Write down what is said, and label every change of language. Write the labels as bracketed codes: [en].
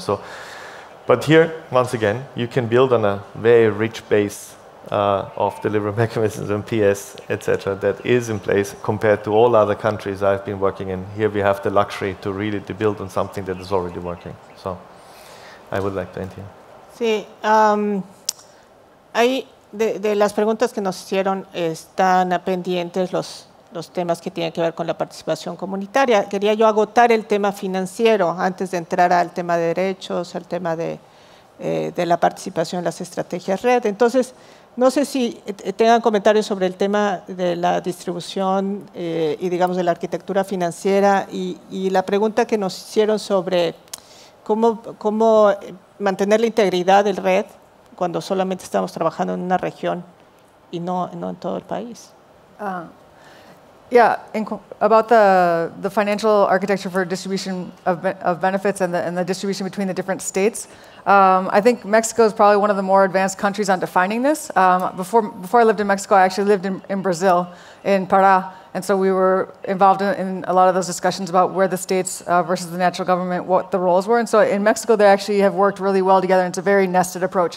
[en] So, but here, once again, you can build on a very rich base of delivery mechanisms and PS, et cetera, that is in place compared to all other countries I've been working in. Here we have the luxury to really to build on something that is already working. So I would like to end here. [es] Sí. De las preguntas que nos hicieron están pendientes los temas que tienen que ver con la participación comunitaria. Quería yo agotar el tema financiero antes de entrar al tema de derechos, al tema de la participación en las estrategias red. Entonces, no sé si tengan comentarios sobre el tema de la distribución y, digamos, de la arquitectura financiera y la pregunta que nos hicieron sobre cómo mantener la integridad del red cuando solamente estamos trabajando en una región y no en todo el país. [en] About the financial architecture for distribution of benefits and the distribution between the different states, I think Mexico is probably one of the more advanced countries on defining this. Before I lived in Mexico, I actually lived in Brazil, in Pará, and so we were involved in a lot of those discussions about where the states versus the natural government, what the roles were. And so in Mexico, they actually have worked really well together, and it's a very nested approach.